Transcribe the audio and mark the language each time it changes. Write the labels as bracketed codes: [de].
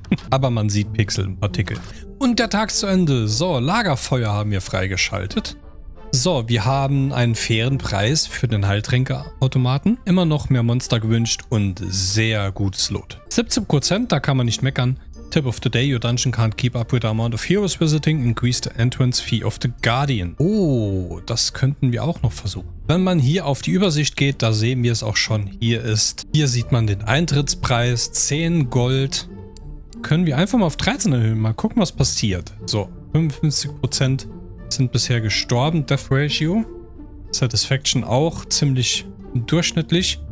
[de] Aber man sieht Pixel im Partikel. Und der Tag ist zu Ende. So, Lagerfeuer haben wir freigeschaltet. So, wir haben einen fairen Preis für den Heiltränkeautomaten. Immer noch mehr Monster gewünscht und sehr gutes Lot. 17%, da kann man nicht meckern. [en] Tip of the day, your dungeon can't keep up with the amount of heroes visiting. Increase the entrance fee of the guardian. [de] Oh, das könnten wir auch noch versuchen. Wenn man hier auf die Übersicht geht, da sehen wir es auch schon. Hier sieht man den Eintrittspreis, 10 Gold. Können wir einfach mal auf 13 erhöhen, mal gucken, was passiert. So, 55%. Sind bisher gestorben. Death Ratio. Satisfaction auch ziemlich durchschnittlich.